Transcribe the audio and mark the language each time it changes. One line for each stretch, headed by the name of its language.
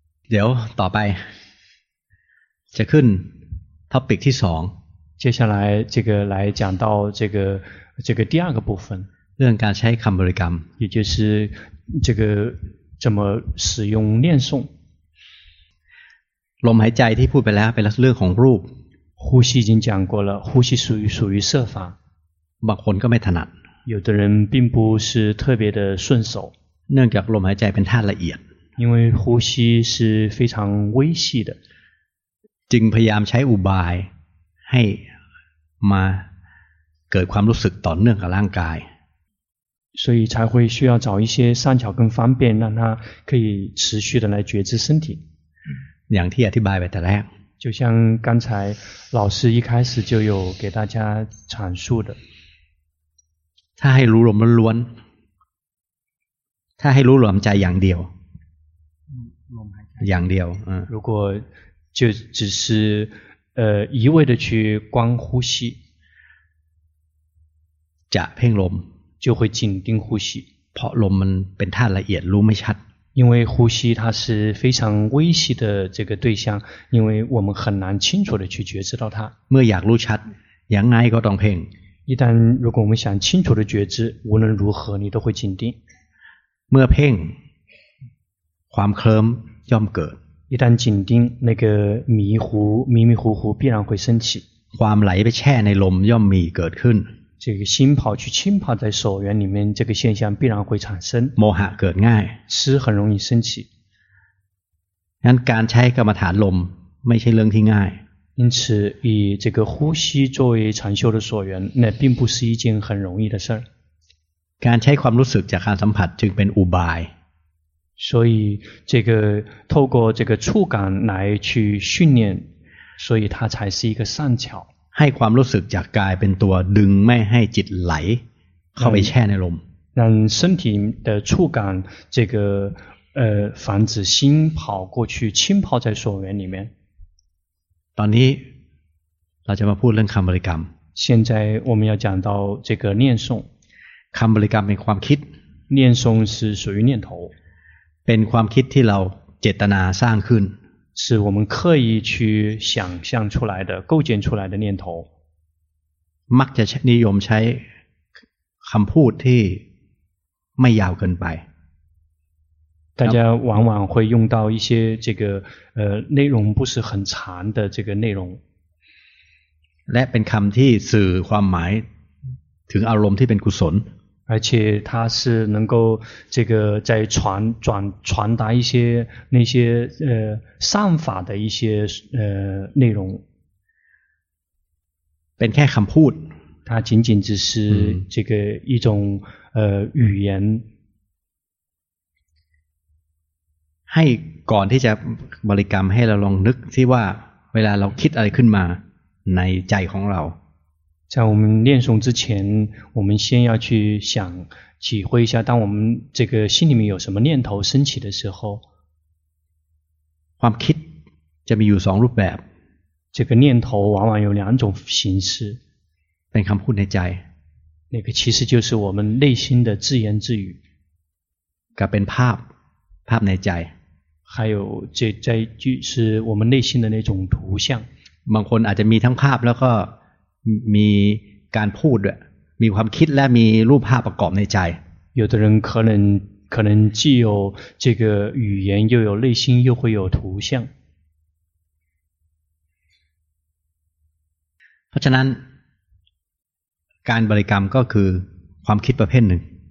Thai: เดี๋ยวต่อไปจะขึ้นท็อปิกที่สอง
Chinese: 接下来这个来讲到这个第二个部分
Thai: เรื่องการใช้คำบริกรรม
Chinese: 也就是这个怎么使用念诵
Thai: ลมหายใจที่พูดไปแล้วเป็นเรื่องของรูป
Chinese: 呼吸已经讲过了呼吸属于色法
Thai: บางคนก็ไม่ถนัด
Chinese: 有的人并不是特别的顺手
Thai: เนื่องจากลมหายใจเป็นธาตุละเอียด
Chinese: 因为呼吸是非常微细的
Thai: จึงพยายามใช้อุบายให้มาเกิดความรู้สึกต่อเนื่องกับร่างกาย
Chinese: 所以才会需要找一些善巧跟方便让他可以持续的来觉知身体
Thai: อย่างที่อธิบายไปแต่แรก
Chinese: 就像刚才老师一开始就有给大家阐述的
Thai: ถ้าให้รู้ลมล้วนถ้าให้รู้ลมใจอย่างเดียวอย่างเดียว
Chinese: 如果就只是一味的去观呼吸
Thai: จะเพ่งลม
Chinese: 就会紧盯呼吸
Thai: เพราะลมมันเป็นธาตุละเอียดรู้ไม่ชัด
Chinese: 因为呼吸它是非常微细的这个对象因为我们很难清楚的去觉知到它
Thai: เมื่ออยากรู้ชัดยังไงก็ต้องเพ่ง
Chinese: 一旦如果我们想清楚的觉知无论如何你都会紧盯
Thai: เมื่อเพ่งความเคลิ้มย่อมเกิด
Chinese: 一旦紧盯那个迷迷糊糊必然会升起
Thai: ความไหลไปแช่ในลมย่อมมีเกิดขึ้น
Chinese: 这个心跑去浸泡在所缘里面这个现象必然会产生
Thai: โมหะเกิดง่าย
Chinese: 痴很容易升起
Thai: งั้นการใช้กรรมฐานลมไม่ใช่เรื่องที่ง่าย
Chinese: 因此以这个呼吸作为禅修的所缘那并不是一件很容易的事
Thai: การใช้ความรู้สึกจากการสัมผัสจึงเป็นอุบาย
Chinese: 所以这个透过这个触感来去训练所以它才是一个善巧
Thai: ให้ความรู้สึกจากกายเป็นตัวดึงไม่ให้จิตไหลเข้าไปแช่ในลม
Chinese: 让身体的触感这个防止心跑过去浸泡在所缘里面
Thai: ตอนนี้เราจะมาพูดเรื่องคำบริกรรม
Chinese: 现在我们要讲到这个念诵
Thai: คำบริกรรมเป็นความคิด
Chinese: 念诵是属于念头
Thai: เป็นความคิดที่เราเจตนาสร้างขึ้น
Chinese: 是我们刻意去想象出来的构建出来的念头
Thai: มักจะนิยมใช้คำพูดที่ไม่ยาวเกินไป
Chinese: 大家往往会用到一些这个内容不是很长的这个内容
Thai: และเป็นคำที่สื่อความหมายถึงอารมณ์ที่เป็นกุศล
Chinese: 而且它是能够这个在传达一些那些善法的一些内容
Thai: เป็นแค่คำพูด
Chinese: 它仅仅只是这个一种语言
Thai: ให้ก่อนที่จะบริกรรมให้เราลองนึกที่ว่าเวลาเราคิดอะไรขึ้นมาในใจของเรา
Chinese: 在我们念诵之前我们先要去想体会一下当我们这个心里面有什么念头升起的时候
Thai: ความคิดจะมีอยู่สองรูปแบบ
Chinese: 这个念头往往有两种形式
Thai: เป็นคำพูดในใจ
Chinese: 那个其实就是我们内心的自言自语
Thai: กับเป็นภาพในใจ
Chinese: 还有这在就是我们内心的那种图像
Thai: บางคนอาจจะมีทั้งภาพแล้วก็มีการพูดด้วยมีความคิดและมีรูปภาพประกอบในใจ
Chinese: 有的人可能既有这个语言又有内心又会有图像
Thai: เพราะฉะนั้นการบริกรรมก็คือความคิดประเภทหนึ่ง